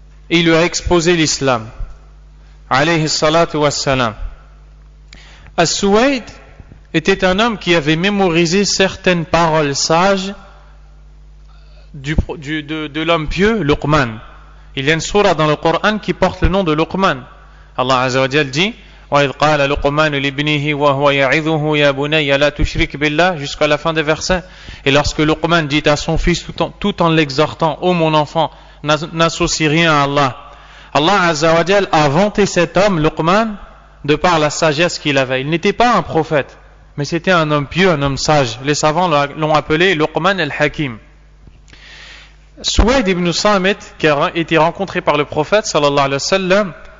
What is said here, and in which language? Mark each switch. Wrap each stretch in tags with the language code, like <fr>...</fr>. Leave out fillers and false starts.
<fr>Il lui a exposé l'islam, alayhi salatu wa salam. As-Suwayd était un homme qui avait mémorisé certaines paroles sages de l'homme pieux, Luqman. Il y a une surah dans le Coran qui porte le nom de Luqman. Allah Azza wa Jal dit:</fr> <ar>وَإِذْ قَالَ لُقْمَانُ لِبْنِهِ وَهُوَ يَعِذُهُ يَا بُنَيَّ لَا تُشْرِكْ بِاللَّهِ,</ar> <fr>jusqu'à la fin des versets. Et lorsque Luqman dit à son fils tout en l'exhortant: ô mon enfant, n'associe rien à Allah. Allah Azza wa Jal a vanté cet homme, Luqman, de par la sagesse qu'il avait. Il n'était pas un prophète, mais c'était un homme pieux, un homme sage. Les savants l'ont appelé Luqman al-Hakim. Suwayd ibn Samit, qui a été rencontré par le prophète, sallallahu alayhi wa sallam,</fr>